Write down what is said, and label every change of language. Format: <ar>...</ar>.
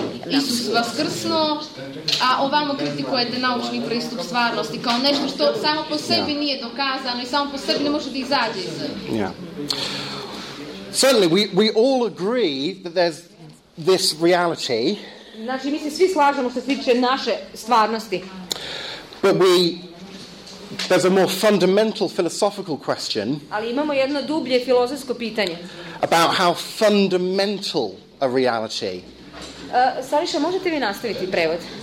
<sr>Isus vaskrsno, a ovamo kritikujete naučni pristup stvarnosti kao nešto što samo po sebi nije dokazano i samo po sebi ne može da izađe iz.</sr> <en>Certainly, we all agree that there's this reality.</en> <sr>Znači, mi se svi slažemo što se tiče naše stvarnosti.</sr> <en>But there's a more fundamental philosophical question.</en> <sr>Ali imamo jedno dublje filozofsko pitanje.</sr> <en>About how fundamental a reality.</en> <sr>Sariša, možete vi nastaviti prevod?</sr>